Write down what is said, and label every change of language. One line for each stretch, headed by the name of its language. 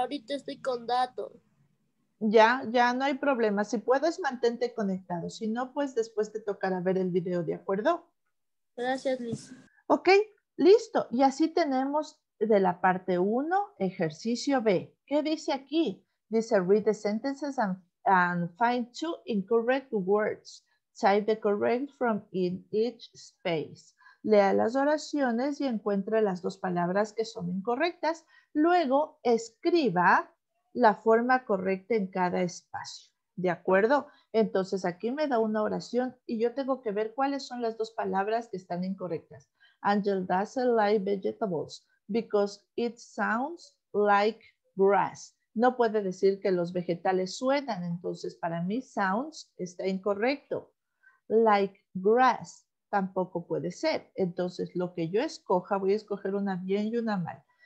Spanish: Ahorita estoy con datos. Ya, ya no hay problema. Si puedes, mantente conectado. Si no, pues después te tocará ver el video, ¿de acuerdo? Gracias, Liz. Ok, listo. Y así tenemos de la parte 1, ejercicio B. ¿Qué dice aquí?
English: Dice, read the sentences and find two incorrect words. Type the correct from in each space.
Spanish: Lea las oraciones y encuentre las dos palabras que son incorrectas. Luego, escriba la forma correcta en cada espacio. ¿De acuerdo? Entonces, aquí me da una oración y yo tengo que ver cuáles son las dos palabras que están incorrectas.
English: Angel doesn't like vegetables because it sounds like grass.
Spanish: No puede decir que los vegetales suenan, entonces para mí sounds está incorrecto. Like grass, tampoco puede ser. Entonces lo que yo escoja, voy a escoger una bien y una mal.